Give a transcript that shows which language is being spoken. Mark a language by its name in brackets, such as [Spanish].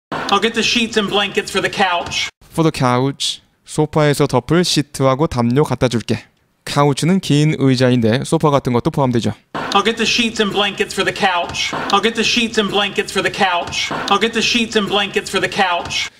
[English] I'll get the sheets and blankets for the couch. For the couch. [Korean] 소파에서 덮을 시트하고 담요 갖다 줄게. 카우치는 긴 의자인데 소파 같은 것도 포함되죠. [English] I'll get the sheets and blankets for the couch. I'll get the sheets and blankets for the couch. I'll get the sheets and blankets for the couch.